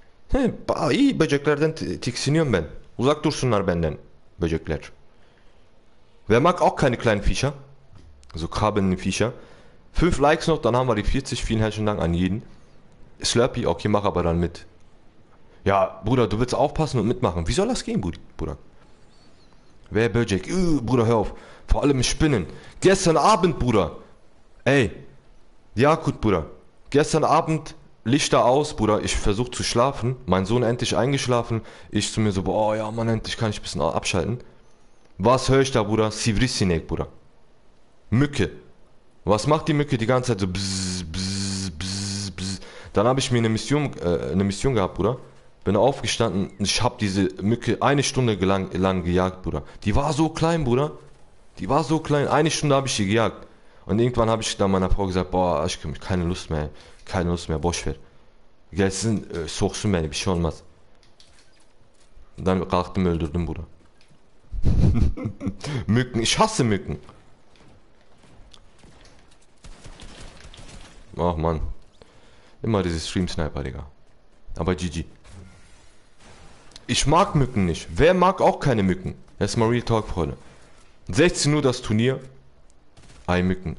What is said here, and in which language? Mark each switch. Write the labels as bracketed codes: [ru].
[tr] Hey, iyi böceklerden tiksiniyorum ben. Uzak dursunlar benden. Böcekler. [de] Wer mag auch keine kleinen Viecher? So krabbelnden Viecher. 5 Likes noch, dann haben wir die 40. Vielen herzlichen Dank an jeden. Slurpy, okay, mach aber dann mit. Ja, Bruder, du willst aufpassen und mitmachen. Wie soll das gehen, Bruder? Wer Böcek? Bruder, hör auf. Vor allem Spinnen. Gestern Abend, Bruder. Ey. Ja, gut, Bruder. Gestern Abend, Lichter aus, Bruder. Ich versuch zu schlafen. Mein Sohn endlich eingeschlafen. Ich zu mir so, boah, ja, Mann, endlich kann ich ein bisschen abschalten. Was höre ich da, Bruder? Sivrisinek, Bruder. Mücke. Was macht die Mücke die ganze Zeit? So, bzz, bzz, bzz, bzz. Dann habe ich mir eine Mission gehabt, Bruder. Bin aufgestanden. Ich habe diese Mücke eine Stunde lang gejagt, Bruder. Die war so klein, Bruder. Die war so klein, eine Stunde habe ich sie gejagt. Und irgendwann habe ich dann meiner Frau gesagt, boah, ich habe keine Lust mehr, keine Lust mehr, boah, schwer. [tr] Gelsin, soksun beni, bir şey olmaz. Dann kalktım, öldürdüm, Bruder. [de] Mücken, ich hasse Mücken. Ach, Mann. Immer diese Stream-Sniper, Digga. Aber GG. Ich mag Mücken nicht. Wer mag auch keine Mücken? Erstmal Real Talk, Freunde. 16 Uhr das Turnier. Ei Mücken.